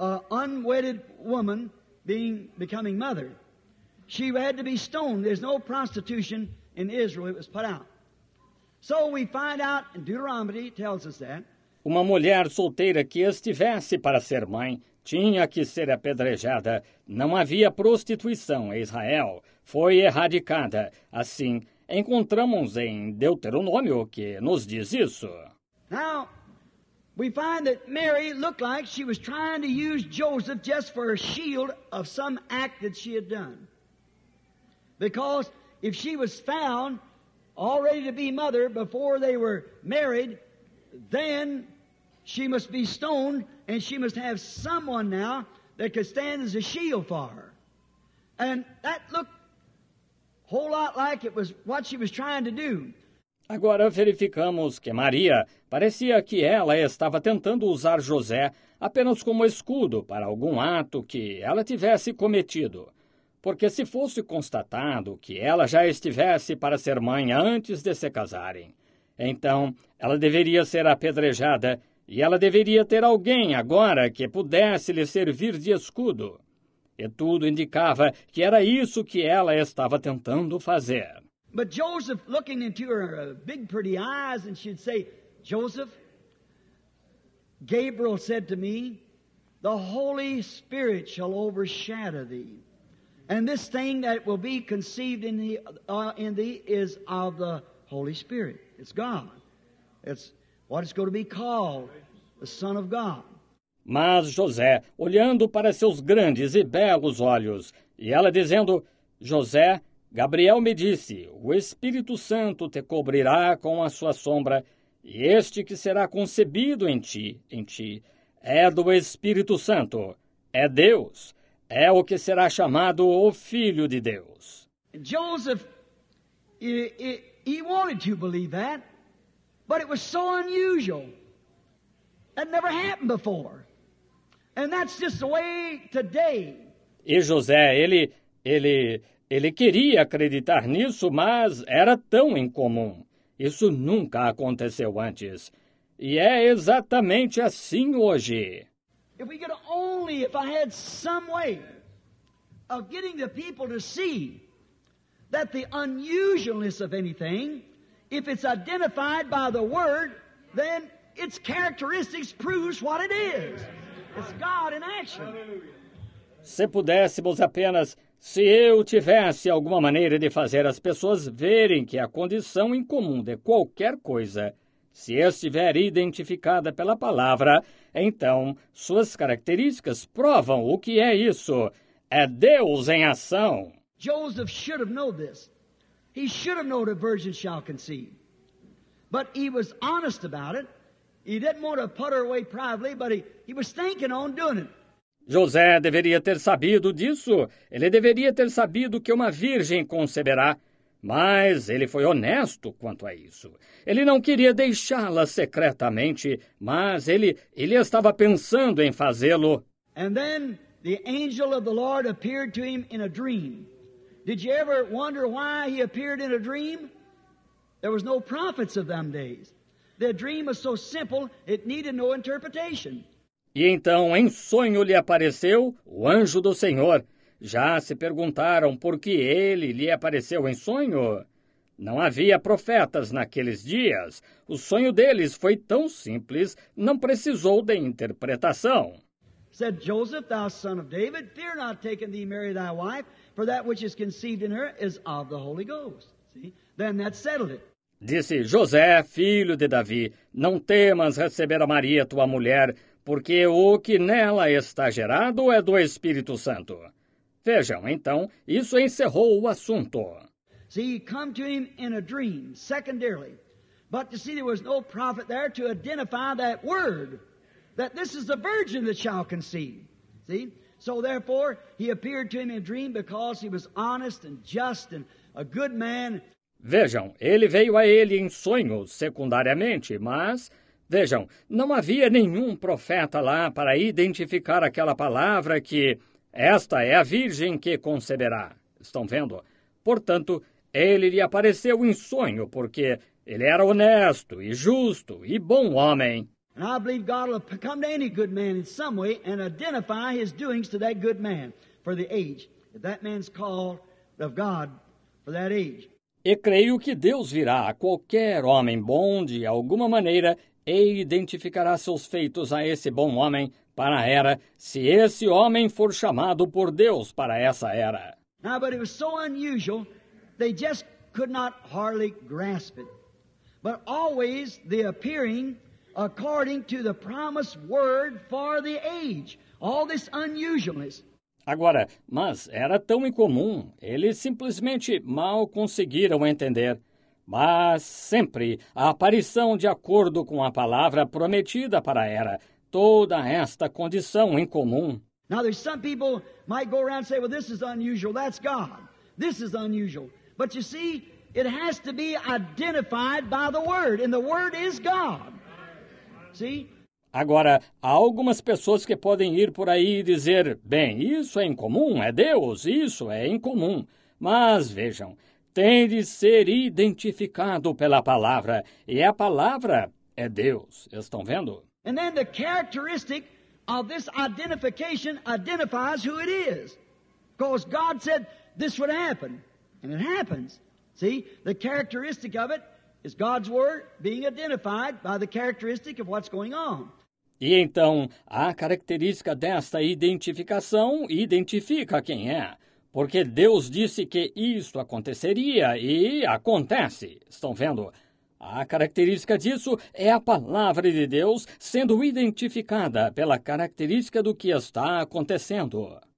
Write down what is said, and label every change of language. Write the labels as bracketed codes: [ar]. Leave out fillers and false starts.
[en] Unwedded woman becoming mother. She had to be stoned. There's no prostitution in Israel. It was put out. So we find out, and Deuteronomy tells us that. [pt] Uma mulher solteira que estivesse para ser mãe tinha que ser apedrejada. Não havia prostituição em Israel. Foi erradicada. Assim, encontramos em Deuteronômio que nos diz isso. [en] Now, we find that Mary looked like she was trying to use Joseph just for a shield of some act that she had done. Because if she was found already to be mother before they were married, then she must be stoned and she must have someone now that could stand as a shield for her. And that looked a whole lot like it was what she was trying to do. [pt] Agora verificamos que Maria parecia que ela estava tentando usar José apenas como escudo para algum ato que ela tivesse cometido. Porque se fosse constatado que ela já estivesse para ser mãe antes de se casarem, então ela deveria ser apedrejada e ela deveria ter alguém agora que pudesse lhe servir de escudo. E tudo indicava que era isso que ela estava tentando fazer. [en] But Joseph, looking into her big, pretty eyes, and she'd say, Joseph, Gabriel said to me, the Holy Spirit shall overshadow thee, and this thing that will be conceived in thee is of the Holy Spirit. It's God. It's what it's going to be called, the Son of God. [pt] Mas José, olhando para seus grandes e belos olhos, e ela dizendo, José, Gabriel me disse, o Espírito Santo te cobrirá com a sua sombra, e este que será concebido em ti, é do Espírito Santo, é Deus, é o que será chamado o Filho de Deus. [en] Joseph, he wanted to believe that, but it was so unusual. It never happened before. And that's just the way today. [pt] E José, ele queria acreditar nisso, mas era tão incomum. Isso nunca aconteceu antes. E é exatamente assim hoje. [en] If we could only, if I had some way of getting the people to see that the unusualness of anything, if it's identified by the word, then its characteristics proves what it is. It's God in action. [pt] Se pudéssemos apenas, se eu tivesse alguma maneira de fazer as pessoas verem que a condição incomum de qualquer coisa, se estiver identificada pela palavra, então suas características provam o que é isso. É Deus em ação. [en] Joseph should have known this. He should have known a virgin shall conceive. But he was honest about it. He didn't want to put her away privately, but he was thinking on doing it. [pt] José deveria ter sabido disso. Ele deveria ter sabido que uma virgem conceberá. Mas ele foi honesto quanto a isso. Ele não queria deixá-la secretamente, mas ele estava pensando em fazê-lo. [en] And then the angel of the Lord appeared to him in a dream. Did you ever wonder why he appeared in a dream? There was no prophets of them days. Their dream was so simple, it needed no interpretation. [pt] E então, em sonho lhe apareceu o anjo do Senhor. Já se perguntaram por que ele lhe apareceu em sonho? Não havia profetas naqueles dias. O sonho deles foi tão simples, não precisou de interpretação. [en] Said Joseph, thou son of David, fear not taking thee Mary thy wife, for that which is conceived in her is of the Holy Ghost. See? Then that settled it. [pt] Disse José, filho de Davi, não temas receber a Maria tua mulher, porque o que nela está gerado é do Espírito Santo. Vejam, então, isso encerrou o assunto. [en] See, he come to him in a dream, secondarily. But you see, there was no prophet there to identify that word, that this is the virgin that shall conceive. See? So therefore, he appeared to him in a dream because he was honest and just and a good man. [pt] Vejam, ele veio a ele em sonhos, secundariamente, mas... Vejam, não havia nenhum profeta lá para identificar aquela palavra que... Esta é a virgem que conceberá. Estão vendo? Portanto, ele lhe apareceu em sonho, porque ele era honesto e justo e bom homem. [en] And I believe God will come to any good man in some way and identify his doings to that good man for the age. If that man's called of God for that age. [pt] E creio que Deus virá a qualquer homem bom de alguma maneira e identificará seus feitos a esse bom homem para a era, se esse homem for chamado por Deus para essa era. [en] Now, but it was so unusual, they just could not hardly grasp it. But always the appearing according to the promised word for the age. All this unusualness. [pt] Agora, mas era tão incomum, eles simplesmente mal conseguiram entender. Mas sempre a aparição de acordo com a palavra prometida para a era, toda esta condição incomum. [en] Now there's some people might go around and say, well, this is unusual, that's God. This is unusual. But you see, it has to be identified by the word, and the word is God. See? [pt] Agora, há algumas pessoas que podem ir por aí e dizer, bem, isso é incomum, é Deus, isso é incomum. Mas vejam, tem de ser identificado pela palavra, e a palavra é Deus. Estão vendo? [en] And then the characteristic of this identification identifies who it is. Because God said this would happen, and it happens. See, the characteristic of it is God's word being identified by the characteristic of what's going on. [pt] E então, a característica desta identificação identifica quem é. Porque Deus disse que isto aconteceria e acontece. Estão vendo? A característica disso é a palavra de Deus sendo identificada pela característica do que está acontecendo.